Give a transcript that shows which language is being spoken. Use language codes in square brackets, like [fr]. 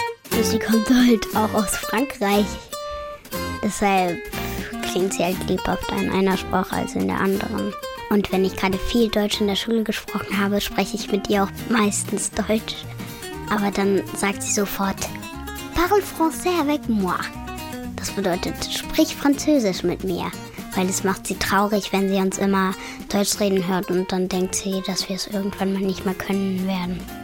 [de] Und sie kommt halt auch aus Frankreich. Deshalb klingt sie halt lebhafter in einer Sprache als in der anderen. Und wenn ich gerade viel Deutsch in der Schule gesprochen habe, spreche ich mit ihr auch meistens Deutsch. Aber dann sagt sie sofort, [fr] parle français avec moi. [de] Das bedeutet, sprich Französisch mit mir. Weil es macht sie traurig, wenn sie uns immer Deutsch reden hört und dann denkt sie, dass wir es irgendwann mal nicht mehr können werden.